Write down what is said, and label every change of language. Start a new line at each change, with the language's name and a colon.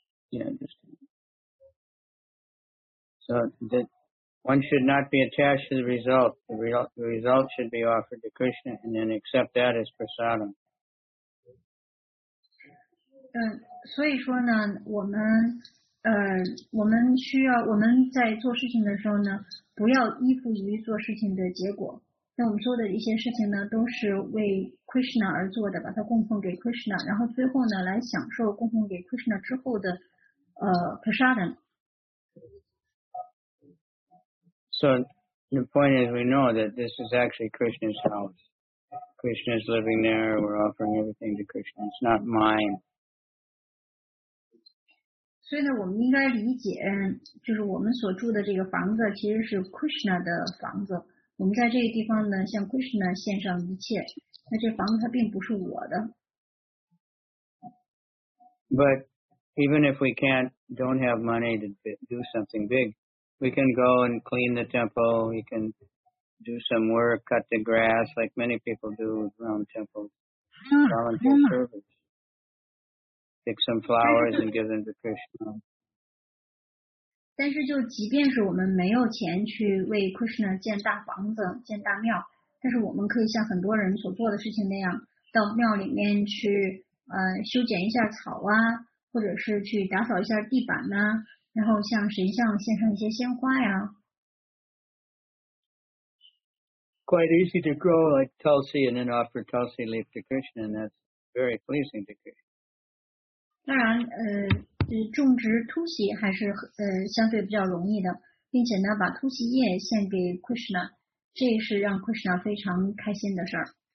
English: Yeah, just so that one should not be attached to the result. The result should be offered to Krishna, and then accept that as prasadam.
Chinese: 所以说呢，我们需要我们在做事情的时候呢，不要依附于做事情的结果。那我们做的一些事情呢，都是为 Krishna 而做的，把它供奉给 Krishna， 然后最后呢，来享受供奉给 Krishna 之后的prasadam。
English: So the point is, we know that this is actually Krishna's house. Krishna is living there. We're offering everything to Krishna. It's not mine.
Chinese: 所以呢，我们应该理解，就是我们所住的这个房子其实是 Krishna 的房子。我们在这个地方呢，向 Krishna 献上一切。那这房子它并不是我的。
English: But even if we don't have money to do something big, we can go and clean the temple. We can do some work, cut the grass, like many people do around temples, volunteer service. Pick some flowers and give them to Krishna.
Chinese: 但是就即便是我们没有钱去为 Krishna 建大房子、建大庙，但是我们可以像很多人所做的事情那样，到庙里面去修剪一下草啊，或者是去打扫一下地板呐、啊，然后向神像献上一些鲜花呀。
English: Quite easy to grow like Tulsi and then offer Tulsi leaf to Krishna, and that's very pleasing to Krishna.
Chinese: 当然，种植突袭还是相对比较容易的，并且呢，把突袭叶献给 Krishna， 这是让 Krishna 非常开心的事儿。